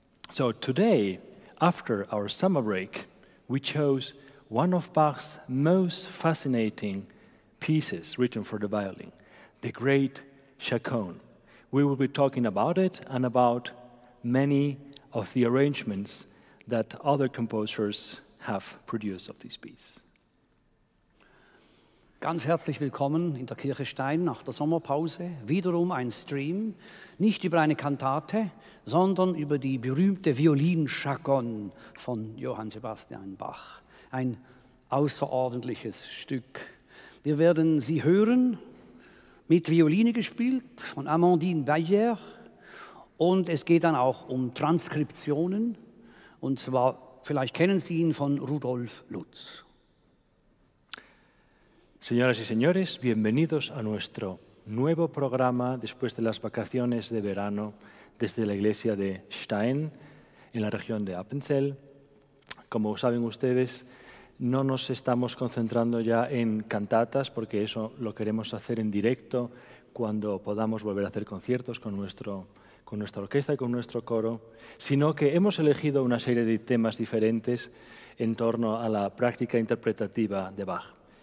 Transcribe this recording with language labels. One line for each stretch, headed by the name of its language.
English: So today, after our summer break, we chose one of Bach's most fascinating pieces written for the violin, the great Chaconne. We will be talking about it and about many of the arrangements that other composers have produced of this piece.
German: Ganz herzlich willkommen in der Kirche Stein nach der Sommerpause. Wiederum ein Stream, nicht über eine Kantate, sondern über die berühmte Violin-Chaconne von Johann Sebastian Bach. Ein außerordentliches Stück. Wir werden sie hören, mit Violine gespielt von Amandine Beyer. Und es geht dann auch um Transkriptionen. Und zwar, vielleicht kennen Sie ihn, von Rudolf Lutz.
Spanish: Señoras y señores, bienvenidos a nuestro nuevo programa después de las vacaciones de verano desde la iglesia de Stein en la región de Appenzell. Como saben ustedes, no nos estamos concentrando ya en cantatas porque eso lo queremos hacer en directo cuando podamos volver a hacer conciertos con nuestra orquesta y con nuestro coro, sino que hemos elegido una serie de temas diferentes en torno a la práctica interpretativa de Bach.